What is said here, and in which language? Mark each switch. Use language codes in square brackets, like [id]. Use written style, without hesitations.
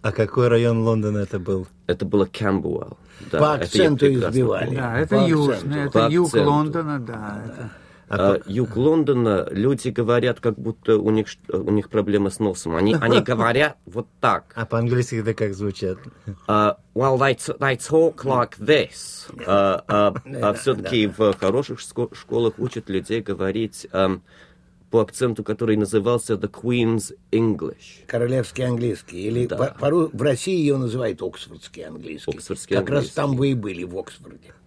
[ru] А какой район Лондона это был? Это было Камбуэлл. Да, по акценту избивали. Да, это южный, это юг Лондона, да. А юг Лондона, люди говорят, как будто у них проблемы с носом. Они говорят вот так. А по-английски это как звучит? [en] Well, they talk like this. [ru] А все-таки в хороших школах учат людей говорить... по акценту, который назывался The Queen's English. Королевский английский. Или да. В России ее называют Оксфордский английский. Оксфордский как английский. Раз там вы и были, в Оксфорде.